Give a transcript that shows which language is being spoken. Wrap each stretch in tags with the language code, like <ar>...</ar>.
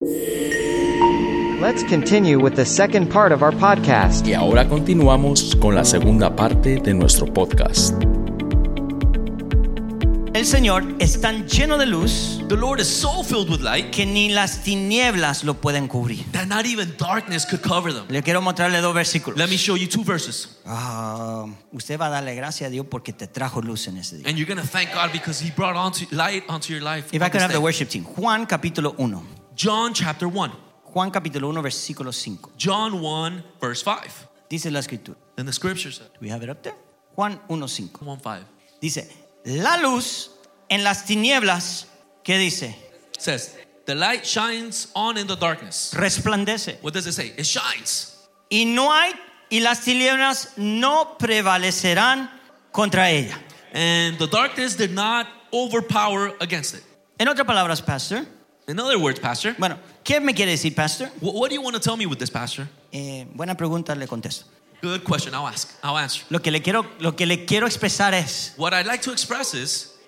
<en>Let's continue with the second part of our podcast.</en> <es>Y ahora continuamos con la segunda parte de nuestro podcast. El Señor es tan lleno de luz,</es> <en>the Lord is so filled with light,</en> <es>que ni las tinieblas lo pueden cubrir,</es> <en>that not even darkness could cover them.</en> <es>Le quiero mostrarle dos versículos.</es> <en>Let me show you two verses.</en> <es>Usted va a darle gracias a Dios porque te trajo luz en ese día.</es> <en>And you're going to thank God because he brought onto light onto your life. If I could have the worship team.</en> <es>Juan capítulo 1.</es> <en>John chapter 1.</en> <es>Juan capítulo 1 versículo 5.</es> <en>John 1 verse 5.</en> <es>Dice la escritura.</es> <en>And the scripture said. Do we have it up there? Juan 1:5.</en> <es>Dice, la luz en las tinieblas, ¿qué dice?</es> <en>It says, the light shines on in the darkness.</en> <es>Resplandece.</es> <en>What does it say? It shines.</en> <es>Y no hay, y las tinieblas no prevalecerán contra ella.</es> <en>And the darkness did not overpower against it.</en> <es>En otras palabras, pastor.</es> <en>In other words, pastor.</en> <es>Bueno, ¿qué me quiere decir, pastor?</es> <en>What do you want to tell me with this, pastor?</en> <es>Buena pregunta, le contesto.</es> <en>Good question. I'll ask. I'll answer.</en> <es>Lo que le quiero expresar es.</es> <en>What I'd like to express is.</en>